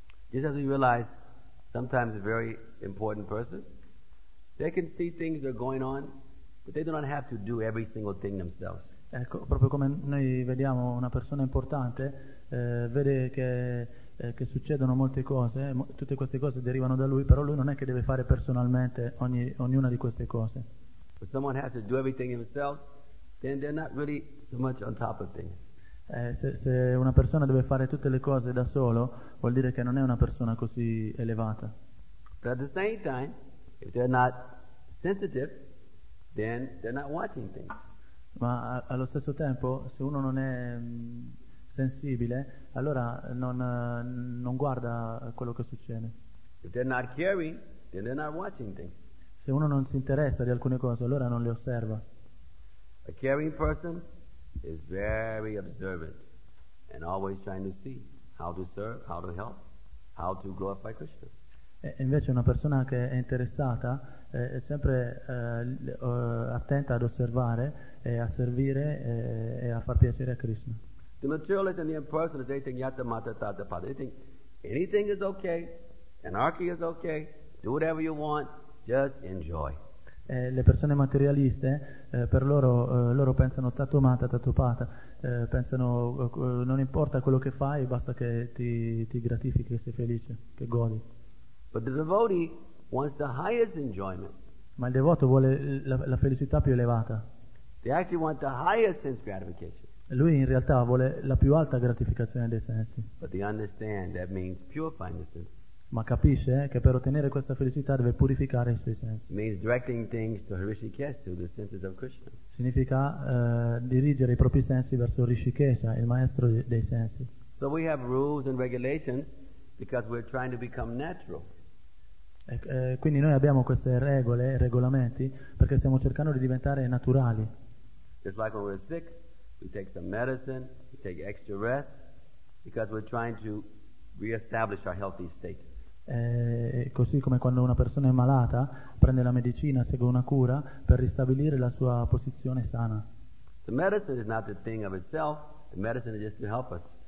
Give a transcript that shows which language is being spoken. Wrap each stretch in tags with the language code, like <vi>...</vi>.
<en>Just as we realize, sometimes very important person. They can see things that are going on, but they do not have to do every single thing themselves.</en> <it>Ecco, proprio come noi vediamo una persona importante, vede che succedono molte cose, tutte queste cose derivano da lui, però lui non è che deve fare personalmente ognuna di queste cose.</it> <en>If someone has to do everything themselves, then they're not really so much on top of things.</en> <it>Se una persona deve fare tutte le cose da solo, vuol dire che non è una persona così elevata.</it> <en>But at the same time, if they're not sensitive, then they're not watching things.</en> <it>Ma allo stesso tempo, se uno non è sensibile, allora non guarda quello che succede.</it> <en>If they're not caring, then they're not watching things.</en> <it>Se uno non si interessa di alcune cose, allora non le osserva.</it> <en>A caring person is very observant and always trying to see how to serve, how to help, how to glorify Krishna.</en> <it>Invece una persona che è interessata è sempre attenta ad osservare e a servire e a far piacere a Krishna.</it> <en>The materialist and the impersonalist, they think yatta mata tata pada. They think anything is okay, anarchy is okay, do whatever you want, just enjoy.</en> <it>Le persone materialiste, per loro, loro pensano tato mata tato pata. Pensano non importa quello che fai, basta che ti gratifichi, che sei felice, che godi.</it> <en>But the devotee wants the highest enjoyment.</en> <it>Ma il devoto vuole la felicità più elevata.</it> <en>They actually want the highest sense gratification.</en> <it>Lui in realtà vuole la più alta gratificazione dei sensi.</it> <en>But they understand that means purifying the senses.</en> <it>Ma capisce che per ottenere questa felicità deve purificare i suoi sensi.</it> <en>Means directing things to Hrishikesh, to the senses of Krishna.</en> <it>Significa dirigere i propri sensi verso Hrishikesha, il maestro dei sensi.</it> <en>So we have rules and regulations because we're trying to become natural.</en> <it>Quindi noi abbiamo queste regole, regolamenti, perché stiamo cercando di diventare naturali.</it> <en>It's like when we're sick, we take some medicine, we take extra rest. Because we're trying to reestablish our healthy state.</en> <it>Così come quando una persona è malata prende la medicina, segue una cura per ristabilire la sua posizione sana.</it> <en>The medicine is not the thing of itself. The medicine is just to help us.</en>